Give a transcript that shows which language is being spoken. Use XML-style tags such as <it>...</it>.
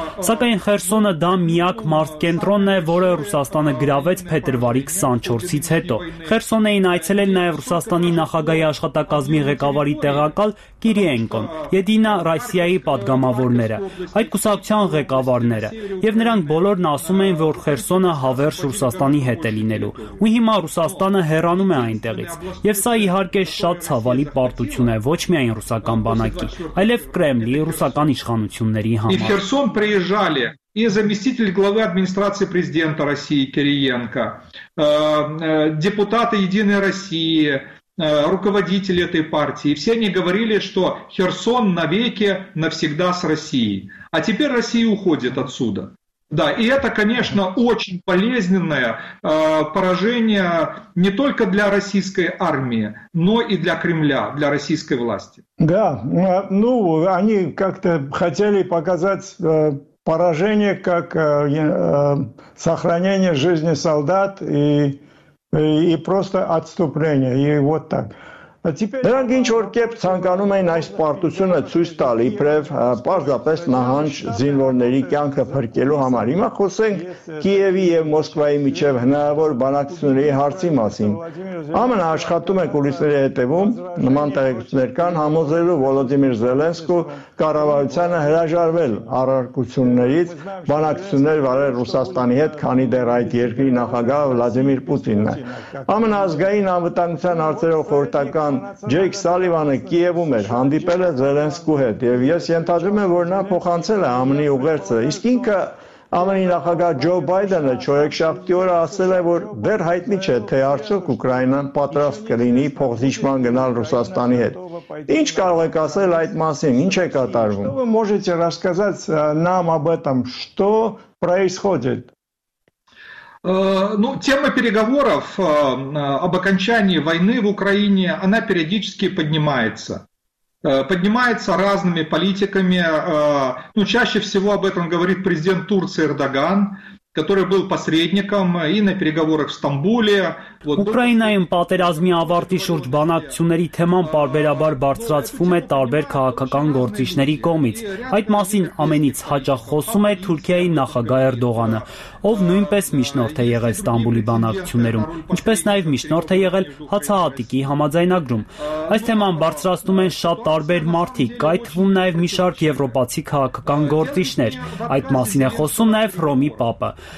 <hy>Սակայն Խերսոնը դա միակ մարզկենտրոնն է, որը Ռուսաստանը գրավեց փետրվարի 24-ից հետո։ Խերսոնը այցելել նաև Ռուսաստանի նախագահի աշխատակազմի ղեկավարի տեղակալ Կիրիենկոն, Եդինա Ռասիա այի պատգամավորները, այդ կուսակցության ղեկավարները, և նրանք բոլորն ասում են, որ Խերսոնը հավերժ Ռուսաստանի հետ է լինելու, ու հիմա Ռուսաստանը հեռանում է այնտեղից, և սա իհարկե շատ ցավալի պարտություն է ոչ միայն ռուսական բանակի, այլև Կրեմլի ռուսական իշխանությունների համար։</hy> <ru>Իր Խերսոն приезжали и заместитель главы администрации президента России Кириенко, депутаты Единой России, руководители этой партии, все они говорили, что Херсон навеки навсегда с Россией. А теперь Россия уходит отсюда. Да, и это, конечно, очень болезненное поражение не только для российской армии, но и для Кремля, для российской власти. Да, ну, они как-то хотели показать поражение как сохранение жизни солдат и просто отступление, и вот так.</ru> <hy>Դրանք ինչ-որ կերպ ցանկանում են այս պարտությունը ցույց տալ, իբրև պարզապես նահանջ զինվորների կյանքը փրկելու համար։ Հիմա խոսենք Կիևի և Մոսկվայի միջև հնարավոր բանակցությունների հարցի մասին։ ԱՄՆ-ը աշխատում է կուլիսների հետևում, նման տեղեկություններ կան, համոզելու Վոլոդիմիր Զելենսկու կառավարությանը հրաժարվել առարկություններից բանակցություններ վարել Ռուսաստանի հետ, քանի դեռ այդ երկրի նախագահ Վլադիմիր Պուտինն է։ ԱՄՆ-ի ազգային անվտանգության հարցերով խորհրդական Ջեյք Սալիվանը Կիևում էր, հանդիպել է Զելենսկու հետ, և ես ենթադրում եմ, որ նա փոխանցել է ԱՄՆ-ի ուղերձը, իսկ ինքը ԱՄՆ-ի նախագահ Ջո Բայդենը չորեքշաբթի օրը ասել է, որ դեռ հայտնի չէ, թե արդյոք Ուկրաինան պատրաստ կլինի փոխզիջման գնալ Ռուսաստանի հետ։ Ինչ կարող եք ասել այդ մասին, ինչ է կատարվում?</hy> <ru>Вы можете рассказать нам об этом, что происходит? Ну, тема переговоров об окончании войны в Украине, она периодически поднимается. Поднимается разными политиками. Ну, чаще всего об этом говорит президент Турции Эрдоган, который был посредником и на переговорах в Стамбуле.</ru> <hy>Ուկրաինայում պատերազմի ավարտի շուրջ բանակցությունների թեման պարբերաբար բարձրացվում է տարբեր քաղաքական գործիչների կողմից։ Այդ մասին ամենից հաճախ խոսում է Թուրքիայի նախագահ Էրդողանը, ով նույնպես միջնորդ է եղել Ստամբուլի բանակցություններում, ինչպես նաև միջնորդ է եղել Հացահատիկի համաձայնագրում։ Այս թեման բարձրացնում են շատ տարբեր մարդիկ, կայ թվում նաև մի շարք եվրոպացի քաղաքական գործիչներ։ Այդ մասին է խոսում նաև Ռոմի Պապը։</hy>